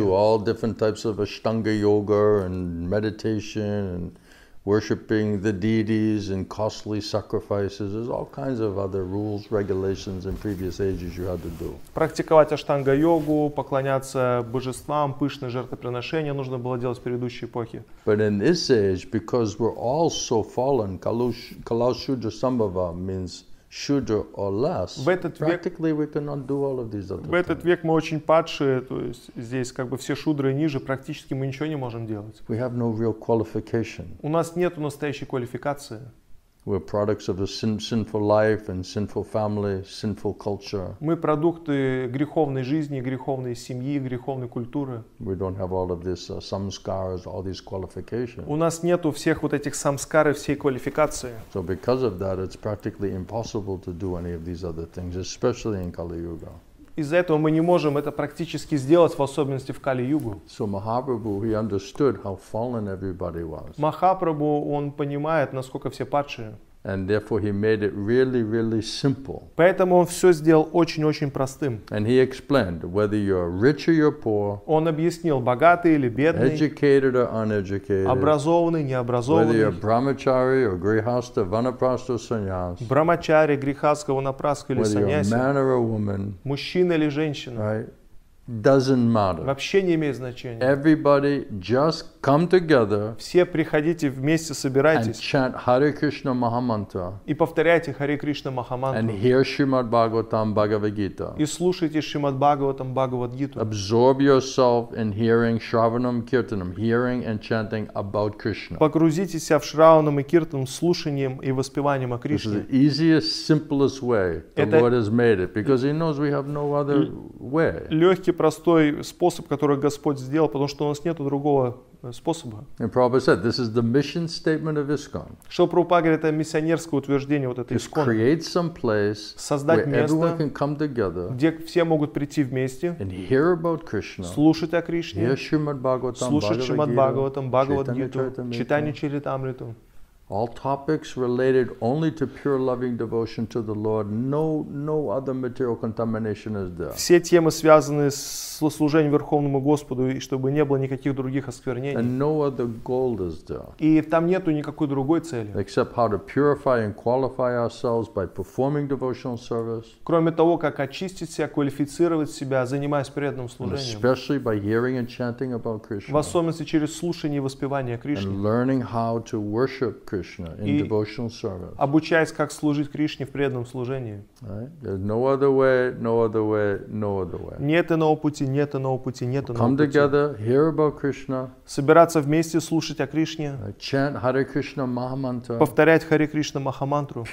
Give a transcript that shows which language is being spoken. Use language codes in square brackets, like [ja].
[en] You had to do all different types of ashtanga yoga and meditation and worshipping the deities and costly sacrifices. There's all kinds of other rules, regulations in previous ages you had to do. [ru] Практиковать аштанга-йогу, поклоняться божествам, пышные жертвоприношения нужно было делать в предыдущей эпохе. [en] But in this age, because we're all so fallen, kalaushudra-sambhava means shudra or less, practically we cannot do all of these other things. [ru] В этот век мы очень падшие, то есть здесь как бы все шудры ниже, практически мы ничего не можем делать. [en] We have no real qualification. [ru] У нас нет настоящей квалификации. [en] We're products of a sinful life and sinful family, sinful culture. [ru] Мы продукты греховной жизни, греховной семьи, греховной культуры. [en] We don't have all of this samskaras, all these qualifications. [ru] У нас нету всех вот этих самскар и всей квалификации. [en] So because of that, it's practically impossible to do any of these other things, especially in Kali Yuga. [ru] из-за этого мы не можем это практически сделать, в особенности в Кали-Югу. [en] So Mahaprabhu, he understood how fallen everybody was. [ru] Mahaprabhu, он понимает, насколько все падшие. [en] And therefore he made it really, really simple. [ru] Поэтому он все сделал очень-очень простым. [en] And he explained whether you're rich or you're poor. [ru] Он объяснил, богатый или бедный. [en] Educated or uneducated. [ru] Образованный, необразованный. [en] Whether you're brahmachari or grihastha, vanaprastha or sannyas. [ru] Брахмачари, грихастха, ванапрастха или саньяси. [en] Whether you're man or a woman. [ru] Мужчина или женщина. [en] Right? Doesn't matter. [ru] Вообще не имеет значения. [en] Everybody just come together. [ru] Все приходите вместе, собирайтесь. [en] And chant Hare Krishna Mahamantra. [ru] И повторяйте Hare Krishna Mahamantra. [en] And hear Shrimad Bhagavatam Bhagavad Gita. [ru] И слушайте Shrimad Bhagavatam Bhagavad Gita. [en] Absorb yourself in hearing Shravanam Kirtanam, hearing and chanting about Krishna. [ru] Погрузите себя в Шраванам и Киртанам, слушанием и воспеванием о Кришне. [en] This is the easiest, simplest way the Lord has made it, because He knows we have no other way. [ru] Простой способ, который Господь сделал, потому что у нас нет другого способа. [en] And Prabhupada said, this is the mission statement of ISKCON. [ru] Что Прабхупада говорит, это миссионерское утверждение, вот это ISKCON. [en] Create some place, [ru] создать место, [en] everyone can come together, [ru] где все могут прийти вместе, [en] and hear about Krishna, [ru] слушать о Кришне, [en] hear Shrimad Bhagavatam, [ru] слушать Шримад Бхагаватам, Бхагавад Гиту, читание Чаритамриту. [en] All topics related only to pure loving devotion to the Lord. No other material contamination is there. [ru] Все темы связаны с служением Верховному Господу, и чтобы не было никаких других осквернений. [en] And no other goal is there. [ru] И там нету никакой другой цели. [en] Except how to purify and qualify ourselves by performing devotional service. [ru] Кроме того, как очистить себя, квалифицировать себя, занимаясь преданным служением. [en] Especially by hearing and chanting about Krishna. [ru] В особенности через слушание и воспевание Кришны. [en] And learning how to worship Krishna in devotional service. [ru] Обучаясь, как служить Кришне в преданном служении. [en] Right? No other way, no other way, no other way. [ru] Нет иного пути, нет иного пути, нет иного пути. [en] Come together, hear about Krishna. [ru] Собираться вместе, слушать о Кришне. [en] Chant Hare Krishna Mahamantra. [ru] Повторять Hare Krishna Mahamantru.